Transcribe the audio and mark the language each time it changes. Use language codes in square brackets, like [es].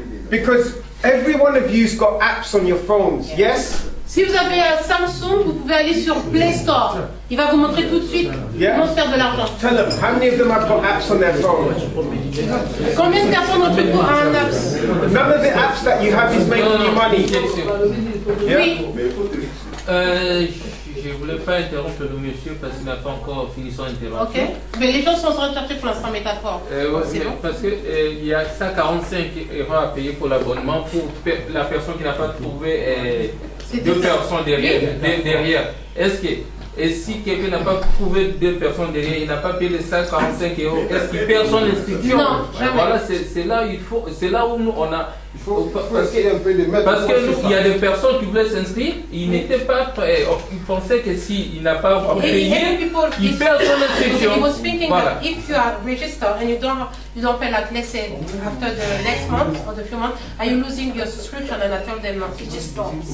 [en] Because every one of you's got apps on your phones. Yes? [fr] Si vous avez un Samsung, vous pouvez aller sur Play Store. Il va vous montrer tout de suite comment faire de l'argent. [en] Tell them, how many of them have got apps on their phone? [fr] Combien de personnes ont trouvé un apps? [en] None of the apps that you have is making you money. [fr] Oui. Je ne voulais pas interrompre le monsieur parce qu'il n'a pas encore fini son intervention. Ok. Mais les gens sont en train de chercher pour l'instant métaphore. Ouais, parce qu'il y a 145 euros à payer pour l'abonnement pour la personne qui n'a pas trouvé deux personnes derrière. Est-ce que. Et si quelqu'un n'a pas trouvé deux personnes derrière, il n'a pas payé les 145 euros, est-ce qu'il perd son inscription? Non, jamais. Voilà, c'est là où on a Parce que nous, il y a des personnes qui voulaient s'inscrire, ils n'étaient pas prêts. Ils pensaient que s'il n'a pas payé, il perd son inscription. [en] He was thinking that if you are registered and you don't pay like let's say after the next month or the few months, are you losing your subscription and after the month it just stops.